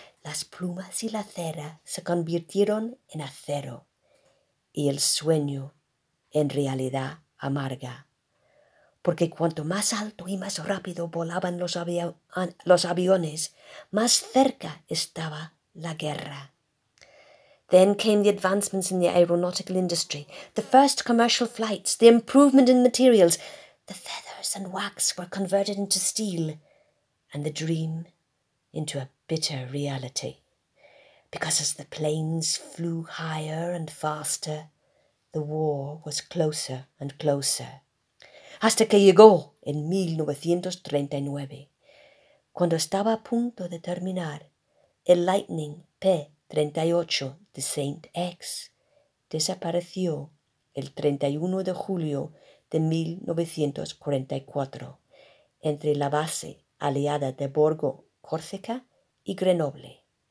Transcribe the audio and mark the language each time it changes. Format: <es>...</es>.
<es>Las plumas y la cera se convirtieron en acero y el sueño en realidad amarga. Porque cuanto más alto y más rápido volaban los aviones, más cerca estaba la guerra.</es> <en>Then came the advancements in the aeronautical industry, the first commercial flights, the improvement in materials. The feathers and wax were converted into steel, and the dream into a bitter reality. Because as the planes flew higher and faster, the war was closer and closer.</en> <es>Hasta que llegó en 1939, cuando estaba a punto de terminar, el Lightning P-38 de Saint X desapareció el 31 de julio de 1944 entre la base aliada de Borgo Córcega y Grenoble.</es>